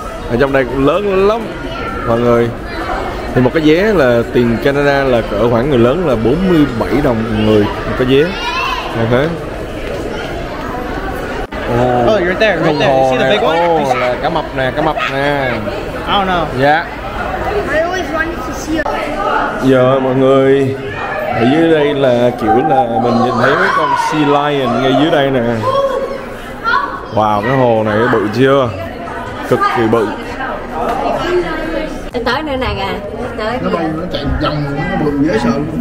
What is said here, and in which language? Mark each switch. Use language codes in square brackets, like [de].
[vi] Ở trong đây cũng lớn lắm mọi người. Thì một cái vé là tiền Canada là cỡ khoảng người lớn là 47 đồng người một cái vé. Thấy thế. [en] Oh, you're there, right there. You see the big one? [vi] Oh, là cá mập nè, cá mập nè. [en] I don't know. Yeah. I always wanted to see you. [vi] Giờ mọi người ở dưới đây là kiểu là mình nhìn thấy mấy con sea lion ngay dưới đây nè. Wow, cái hồ này bự chưa? Cực kỳ bự. Tới nữa nè kìa. Tới nó bay, nó chạy vòng, nó bự dễ sợ luôn.